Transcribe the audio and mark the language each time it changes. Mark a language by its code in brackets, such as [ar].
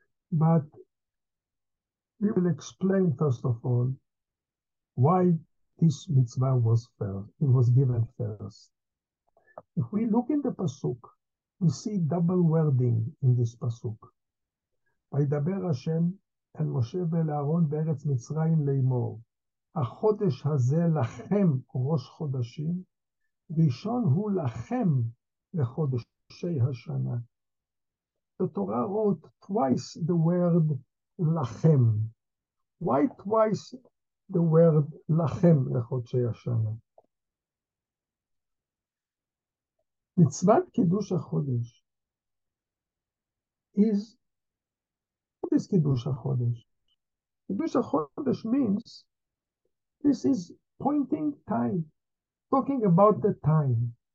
[en] But we will explain, first of all, why this mitzvah was first. It was given first. If we look in the Pasuk, we see double wording in this Pasuk. [he] וידבר השם אל משה ואל אהרון בארץ מצרים לאמור, החודש הזה לכם ראש חודשים, ראשון הוא לכם לחודשי השנה. [en] The Torah wrote twice the word לכם. Why twice the word [he] לכם לחודשי השנה? [en] Mitzvah Kiddush HaChodesh is, what is Kiddush HaChodesh? Kiddush HaChodesh means this is pointing time, talking about the time.